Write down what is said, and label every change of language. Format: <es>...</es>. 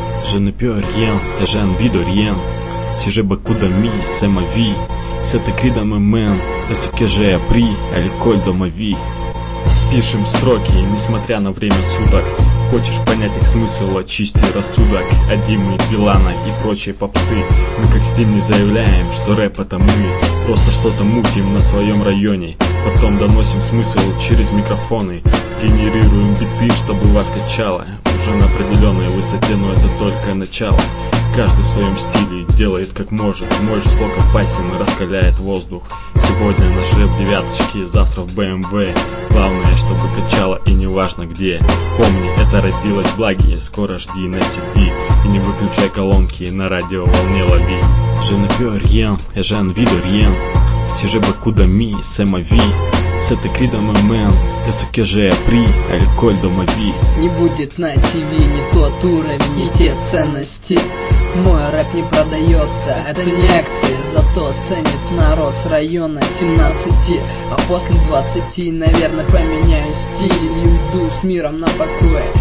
<fr>Je ne peux rien et j'ai envie de rien. Si j'ai beaucoup d'amis, c'est ma vie. C'est écrit dans mes mains et ce que j'ai appris à l'école de ma vie.</fr> <ru>Пишем строки, несмотря на время суток. Хочешь понять их смысл, очисти рассудок. От Димы, Билана и прочей попсы. Мы как Steam не заявляем, что рэп это мы. Просто что-то мутим на своем районе. Потом доносим смысл через микрофоны. Генерируем биты, чтобы вас качало. Уже на определенной высоте, но это только начало. Каждый в своем стиле делает как может. Мой же слог опасен и раскаляет воздух. Сегодня наш рэп девяточки, завтра в BMW. Главное, чтобы качало и не важно где. Помни, это родилось благие, скоро жди на CD. И не выключай колонки, на радиоволне лови.</ru> <fr>Je ne peux rien, et j'ai envie de rien. Si j'ai beaucoup d'amis, c'est ma vie. C'est écrit dans mes mains, et ce que j'ai appris, l'école de ma vie.</fr> <ru>Не будет на TV ни тот уровень, ни те ценности. Мой рэп не продается, это не акции. Зато ценит народ с района 17. А после 20, наверное, поменяю стиль. И уйду с миром на покое.</ru>